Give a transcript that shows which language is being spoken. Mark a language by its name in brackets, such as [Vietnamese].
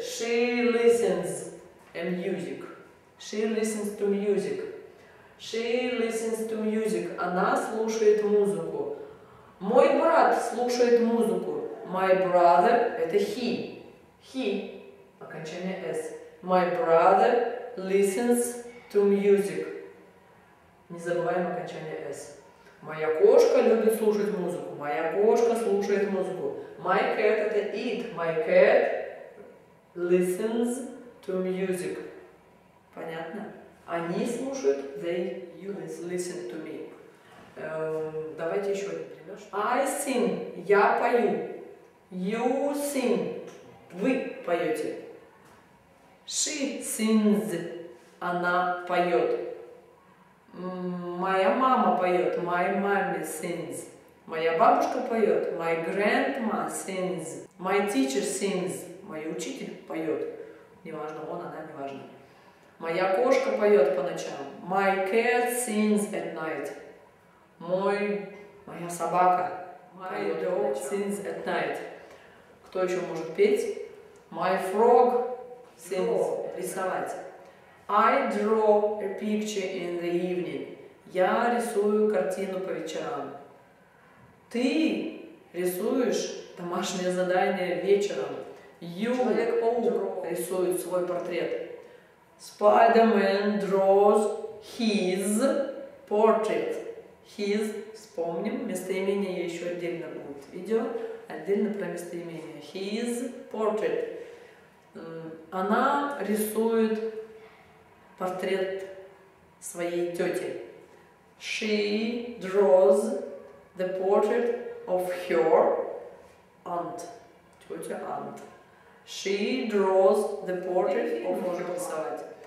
[English] She listens to music. She listens to music. She listens to music. [Russian] Она слушает музыку. Мой брат слушает музыку. [English] My brother [Russian] – это he. [English] He, [Russian] окончание S. [English] My brother listens to music. [Russian] Не забываем окончание S. Моя кошка любит слушать музыку. Моя кошка слушает музыку. [English] My cat — это it. My cat listens to music. [Russian] Понятно? Они слушают, [English] they listen to me. [Russian] Давайте еще один пример. [English] I sing. [Russian] Я пою. [English] You sing. [Russian] Вы поете. [English] She sings. [Russian] Она поет. Моя мама поет. [English] My mommy sings. [Russian] Моя бабушка поет. [English] My grandma sings. My teacher sings. [Russian] Мой учитель поет. Неважно, он, она, неважно. Моя кошка поет по ночам. [English] My cat sings at night. [Russian] Моя собака поет. [English] My dog sings at night. [Russian] Кто еще может петь? [English] My frog sings. Рисовать. I draw a picture in the evening. [Russian] Я рисую картину по вечерам. Ты рисуешь домашнее задание вечером. Человек-паук рисует свой портрет. [English] Spider-Man draws his portrait. [Russian] His, вспомним, местоимение еще отдельно будет видео. Отдельно про местоимение. [English] His portrait. [Russian] Она рисует портрет своей тети. [English] She draws the portrait of her aunt. Тетя aunt. She draws the portrait of her aunt.